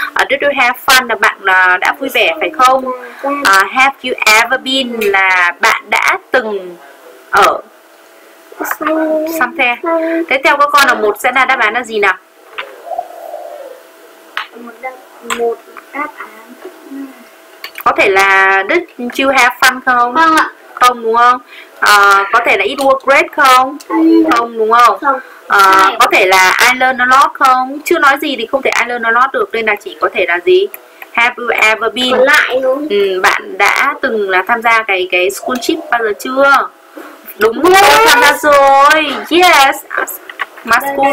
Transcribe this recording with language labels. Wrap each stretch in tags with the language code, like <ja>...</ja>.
<en>Did you have fun</en> <vi>là bạn đã vui vẻ phải không?</vi> <en>Have you ever been</en> <vi>là bạn đã từng ở something. Thế theo các con là một sẽ là đáp án là gì nào? Một đáp án có thể là</vi> <en>did you have fun</en> <vi>không? Không ạ. Không đúng không? Có thể là</vi> <en>it was great</en> <vi>không? Không đúng không? Có thể là</vi> <en>I learned a lot</en> <vi>không? Chưa nói gì thì không thể I learned a lot được, nên là chỉ có thể là gì?</vi> <en>Have you ever been?</en> <vi>Còn lại đúng. Ừ, bạn đã từng là tham gia cái school trip bao giờ chưa? Đúng rồi, yes. Tham gia rồi. Yes. My school</vi>